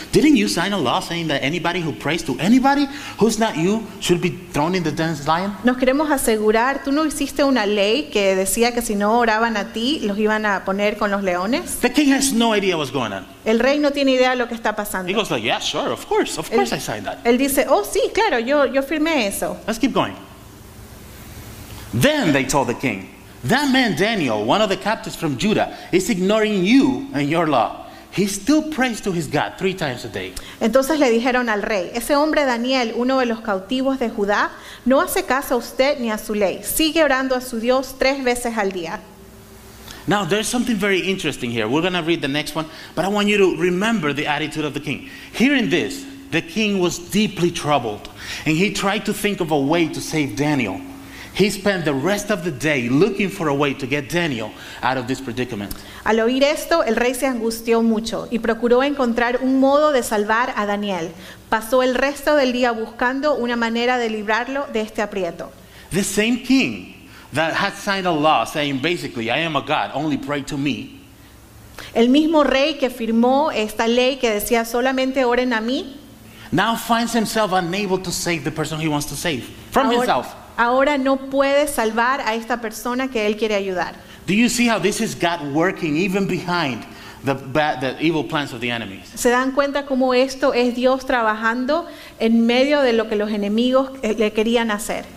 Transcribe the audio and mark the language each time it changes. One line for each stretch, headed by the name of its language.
English: Didn't you sign a law saying that anybody who prays to anybody who's not you should be thrown in the den of lions?
Spanish: Nos queremos asegurar. ¿Tú no hiciste una ley que decía que si no oraban a ti los iban a poner con los leones?
English: The king has no idea what's going on.
Spanish: El rey no tiene idea de lo que está pasando.
English: He goes like, yeah, sure, of course, I signed that.
Spanish: Él dice, oh sí, claro, yo firmé eso.
English: Let's keep going. Then they told the king, That man Daniel, one of the captives from Judah, is ignoring you and your law. He still prays to his God three times a day.
Spanish: Entonces le dijeron al rey, ese hombre Daniel, uno de los cautivos de Judá, no hace caso a usted ni a su ley. Sigue orando a su Dios tres veces al día.
English: Now there's something very interesting here. We're going to read the next one, but I want you to remember the attitude of the king. Hearing this, the king was deeply troubled, and he tried to think of a way to save Daniel. He spent the rest of the day looking for a way to get Daniel out of this predicament.
Spanish: Al oír esto, el rey se angustió mucho y procuró encontrar un modo de salvar a Daniel. Pasó el resto del día buscando una manera de librarlo de este aprieto.
English: The same king that had signed a law saying basically, I am a god, only pray to me.
Spanish: El mismo rey que firmó esta ley que decía solamente oren a mí.
English: Now finds himself unable to save the person he wants to save from himself.
Spanish: Ahora no puede salvar a esta persona que él quiere ayudar.
English: Do you see how this is God working even behind the evil plans of the enemies?
Spanish: ¿Se dan cuenta cómo esto es Dios trabajando en medio de lo que los enemigos le querían hacer?